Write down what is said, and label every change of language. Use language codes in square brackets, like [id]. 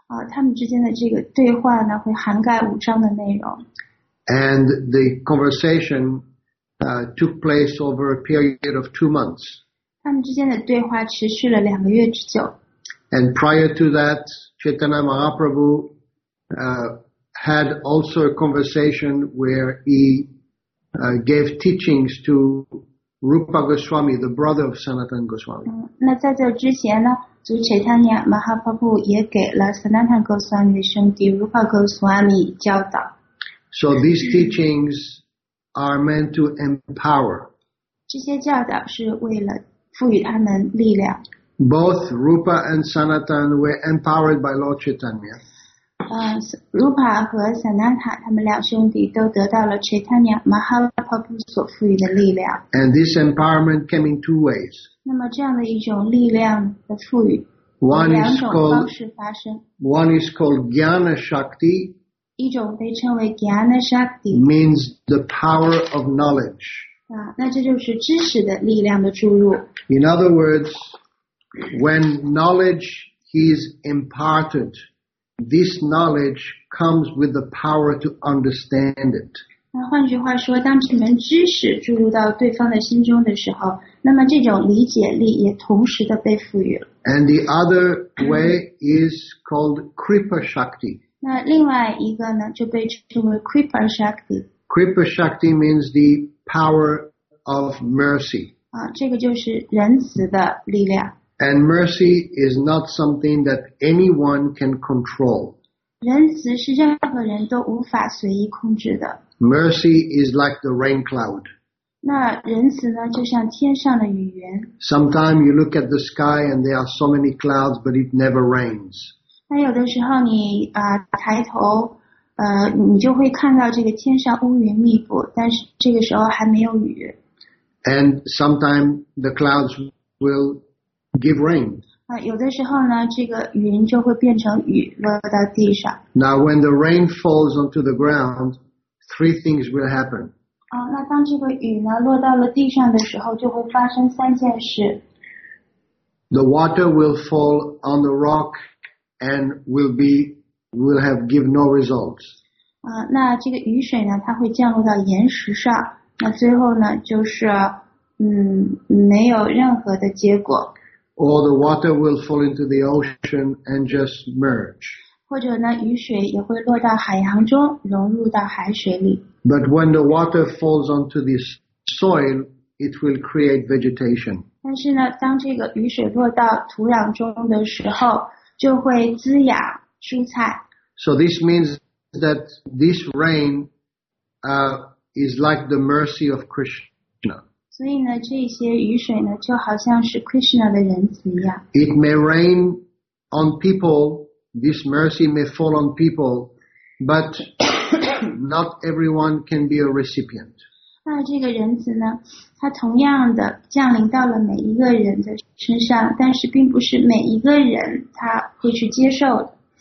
[zh] 他们之间的这个对话呢，会涵盖五章的内容。 [en] And the conversation took place over a period of 2 months. [zh] 他们之间的对话持续了两个月之久。 [en] And prior to that, Chaitanya Mahaprabhu had also a conversation where he gave teachings to Rupa Goswami, the brother of Sanatana Goswami. [zh] 那在这之前呢，主 Chaitanya Mahaprabhu 也给了 Sanatana Goswami 的兄弟 Rupa Goswami 教导。 [en] So these teachings are meant to empower. [zh] 这些教导是为了赋予他们力量。 [en] Both Rupa and Sanatana were empowered by Lord Chaitanya. [zh] Rupa 和 Sanatana 他们两兄弟都得到了 Chaitanya Mahaprabhu 所赋予的力量。 [en] And this empowerment came in 2 ways. [zh] 那么这样的一种力量的赋予， [en] One is called Jnana Shakti. [zh] 一种被称为 Jnana Shakti. [en] Means the power of knowledge. [zh] 那这就是知识的力量的注入。 [en] In other words,When knowledge is imparted, this knowledge comes with the power to understand it. [zh] 那换句话说，当这门知识注入到对方的心中的时候，那么这种理解力也同时的被赋予了。 [en] And the other way is called Kripa Shakti. [zh] 那另外一个呢，就被称为 Kripa Shakti. [en] Kripa Shakti means the power of mercy. [zh] 这个就是仁慈的力量。 [en] And mercy is not something that anyone can control. [zh] 仁慈是任何人都无法随意控制的。 [en] Mercy is like the rain cloud. [zh] 那仁慈呢，就像天上的雨云。 [en] Sometimes you look at the sky and there are so many clouds, but it never rains. [zh] 那有的时候你抬头，你就会看到这个天上乌云密布，但是这个时候还没有雨。 [en] And sometimes the clouds will. Give rain. [zh] 有的时候呢，这个云就会变成雨落到地上。 [en] Now, when the rain falls onto the ground, 3 things will happen. [zh] 那当这个雨呢落到了地上的时候，就会发生三件事。 [en] The water will fall on the rock and will have give no results. [zh] 那这个雨水呢，它会降落到岩石上，那最后呢，就是没有任何的结果。 [en] Or the water will fall into the ocean and just merge. [zh] 或者呢，雨水也会落到海洋中，融入到海水里。 [en] But when the water falls onto the soil, it will create vegetation. [zh] 但是呢，当这个雨水落到土壤中的时候，就会滋养蔬菜。 [en] So this means that this rain, is like the mercy of Krishna. [zh] 所以呢，这些雨水呢，就好像是 Krishna 的仁慈一样。 [en] It may rain on people, this mercy may fall on people, but not everyone can be a recipient. [zh] 那这个仁慈呢，它同样的降临到了每一个人的身上，但是并不是每一个人他会去接受的。